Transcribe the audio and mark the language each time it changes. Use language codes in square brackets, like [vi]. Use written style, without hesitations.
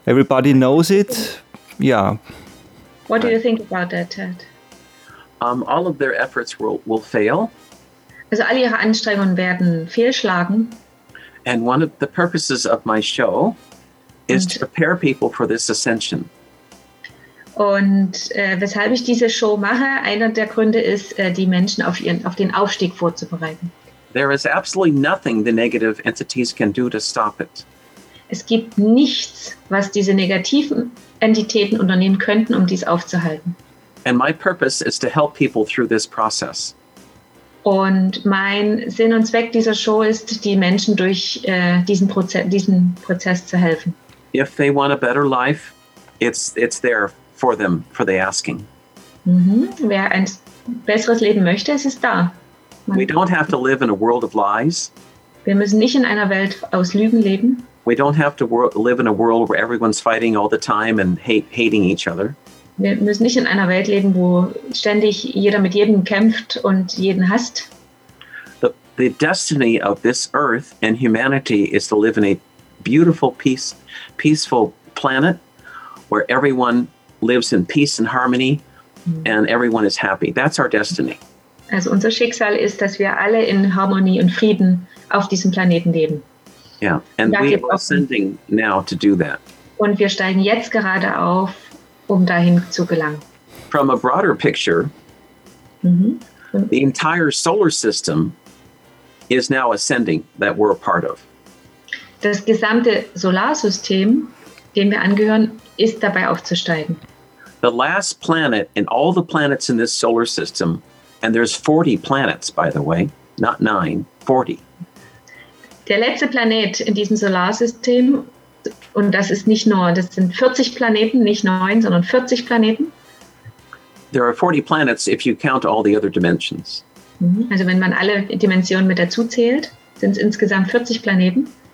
[en] Everybody knows it. Yeah. What do you think about that, Ted? All of their efforts will fail. [de] Also all ihre Anstrengungen werden fehlschlagen. [en] And one of the purposes of my show is to prepare people for this ascension. [de] Und weshalb ich diese Show mache, einer der Gründe ist, die Menschen auf den Aufstieg vorzubereiten. [en] There is absolutely nothing the negative entities can do to stop it. [de] Es gibt nichts, was diese negativen Entitäten unternehmen könnten, um dies aufzuhalten. [en] And my purpose is to help people through this process. [de] Und mein Sinn und Zweck dieser Show ist, die Menschen durch diesen Prozess zu helfen. [en] If they want a better life, it's there for them, for the asking. Mm-hmm. [de] Wer ein besseres Leben möchte, es ist da. [en] We don't have to live in a world of lies. [de] Wir müssen nicht in einer Welt aus Lügen leben. [en] We don't have to live in a world where everyone's fighting all the time and hating each other. [de] Wir müssen nicht in einer Welt leben, wo ständig jeder mit jedem kämpft und jeden hasst. [en] The destiny of this earth and humanity is to live in a beautiful, peaceful planet where everyone lives in peace and harmony and everyone is happy. That's our destiny. [de] Also unser Schicksal ist, dass wir alle in Harmonie und Frieden auf diesem Planeten leben. [en] Yeah, and we are ascending now to do that. [de] Und wir steigen jetzt gerade auf, um dahin zu gelangen. [en] From a broader picture, the entire solar system is now ascending that we're a part of. [de] Das gesamte Solarsystem, dem wir angehören, ist dabei aufzusteigen. [en] The last planet in all the planets in this solar system, and there's 40 planets, by the way, not 9, 40. [de] Der letzte Planet in diesem Solarsystem, und das ist nicht nur, das sind 40 Planeten, nicht 9, sondern 40 Planeten. [en] There are 40 planets if you count all the other dimensions. [de] Also wenn man alle Dimensionen mit dazu zählt, sind es insgesamt 40 Planeten.